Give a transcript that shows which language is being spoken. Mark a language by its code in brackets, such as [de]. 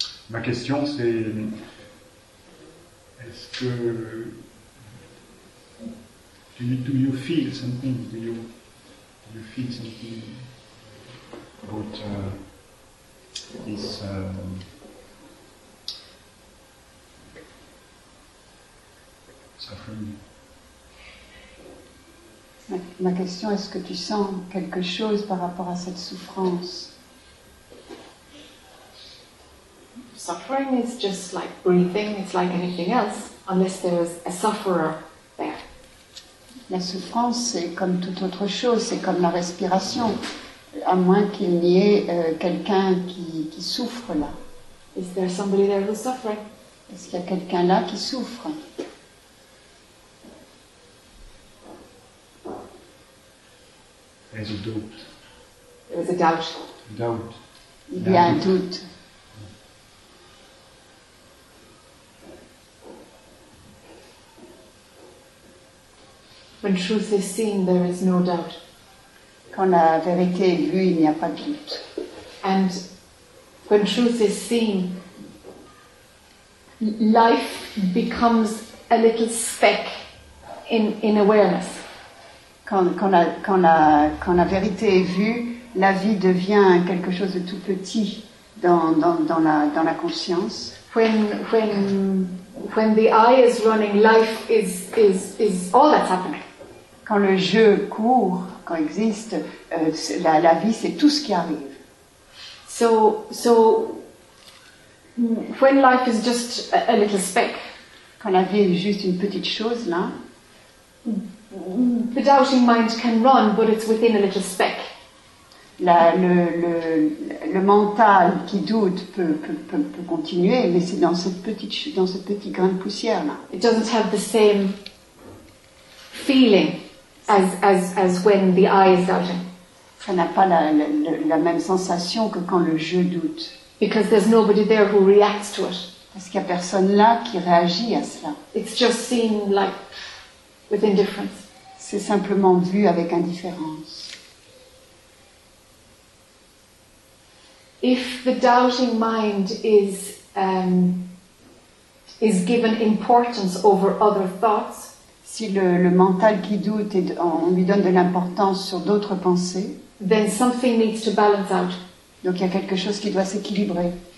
[fr] Ma question c'est, est-ce que, [en] do you feel something, do you feel something about this suffering? [fr] Ma question, est-ce que tu sens quelque chose par rapport à cette souffrance? [en] Suffering is just like breathing, it's like anything else, unless there is a sufferer there. [fr] La souffrance, c'est comme toute autre chose, c'est comme la respiration, à moins qu'il n'y ait quelqu'un qui souffre là. [en] Is there somebody there who's suffering? [fr] Est-ce qu'il y a quelqu'un là qui souffre? [en] There's a doubt. There is a doubt. Doubt. [fr] Il y a un doute. [en] When truth is seen, there is no doubt. [fr] Quand la vérité est vue, il n'y a pas de doute. [en] And when truth is seen, life becomes a little speck in awareness. [fr] Quand la vérité est vue, la vie devient quelque chose de tout petit dans la conscience. [en] When the eye is running, life is all that's happening. [fr] Quand le jeu court, quand existe, la vie, c'est tout ce qui arrive. [en] So when life is just a little speck, [fr] quand la vie est juste une petite chose là. [en] The doubting mind can run, but it's within a little speck. [fr] Le mental qui doute peut continuer, mais c'est dans ce petit grain de poussière là. [en] It doesn't have the same feeling as when the eye is doubting. [fr] Ça n'a pas la même sensation que quand le jeu doute. [en] Because there's nobody there who reacts to it. [fr] Parce qu'il y a personne là qui réagit à cela. [en] It's just seen like with indifference. [fr] C'est simplement vu avec indifférence. [en] If the doubting mind is given importance over other thoughts, [fr] si le mental qui doute et on lui donne de l'importance sur d'autres pensées, [en] then something needs to balance out. [fr] Donc il y a quelque chose qui doit s'équilibrer.